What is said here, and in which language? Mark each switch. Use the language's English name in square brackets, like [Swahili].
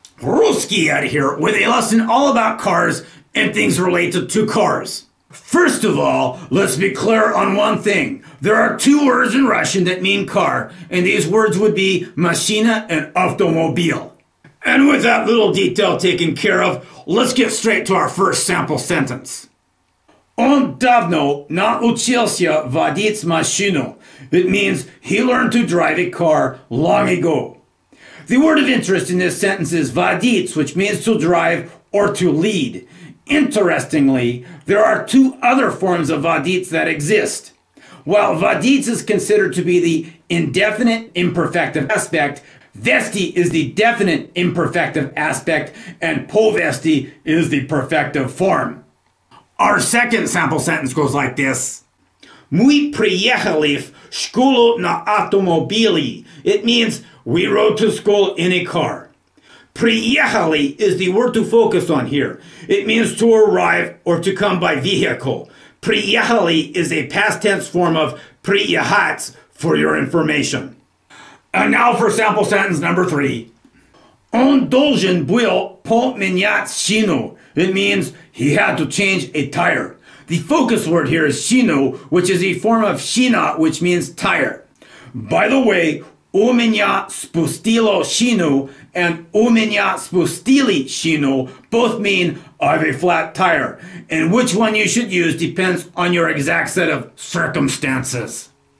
[English] Rusky Ed here with a lesson all about cars and things related to cars. First of all, let's be clear on one thing. There are two words in Russian that mean car, and these words would be mashina and automobile. And with that little detail taken care of, let's get straight to our first sample sentence. [Russian] Он давно научился водить машину. [English] It means he learned to drive a car long ago. The word of interest in this sentence is водить, which means to drive or to lead. Interestingly, there are two other forms of vadits that exist. While vadits is considered to be the indefinite imperfective aspect, vesti is the definite imperfective aspect, and povesti is the perfective form. Our second sample sentence goes like this. [Russian] Мы приехали в школу на автомобиле. [English] It means we rode to school in a car. Приехали is the word to focus on here. It means to arrive or to come by vehicle. Приехали is a past tense form of приехать for your information. And now for sample sentence number 3. [Russian] Он должен был поменять шину. [English] It means he had to change a tire. The focus word here is шину, which is a form of шина, which means tire. By the way, [Russian] у меня спустило шину [English] and [Russian] у меня спустили шину [English] both mean I have a flat tire, and which one you should use depends on your exact set of circumstances.